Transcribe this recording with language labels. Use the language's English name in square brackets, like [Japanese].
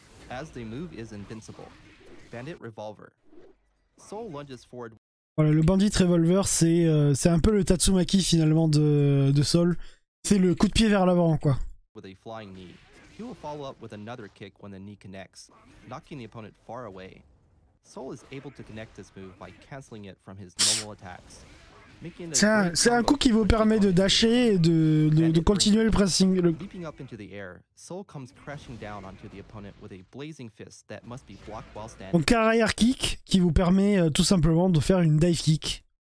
[English] As the move is invincible. Bandit Revolver. Sol lunges forward. [French] Voilà, le Bandit Revolver, c'est un peu le Tatsumaki finalement de Sol. C'est le coup de pied vers l'avant, quoi. [English] With a flying knee. He will follow up with another kick when the knee connects, knocking the opponent far away. Sol is able to connect this move by canceling it from his normal attacks. [French] C'est un coup qui vous permet de dasher et de continuer le pressing. [English] Leaping up into the air, Sol comes crashing down onto the opponent with a blazing fist that must be blocked while standing. [French] Donc carrière kick qui vous permet tout simplement de faire une dive kick.